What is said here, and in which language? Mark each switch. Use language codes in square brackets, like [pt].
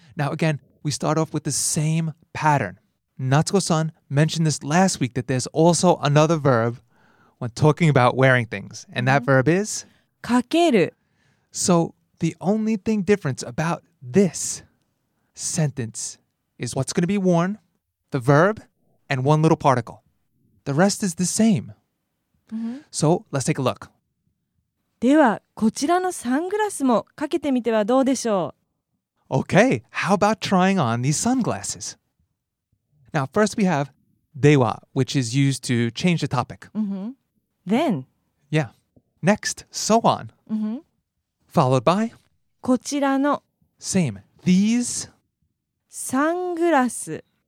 [en] Now again, we start off with the same pattern. Natsuko-san mentioned this last week that there's also another verb when talking about wearing things. And that verb is? [ja] かける [en] So the only thing difference about this sentence is what's going to be worn, the verb, and one little particle. The rest is the same. So let's take a look. [ja] では、こちらのサングラスもかけてみてはどうでしょう? [en] Okay, how about trying on these sunglasses? Now, first we have では, which is used to change the topic. Then. Yeah. Next, so on. Followed by [ja] こちらの [en] Same. These [ja] サングラス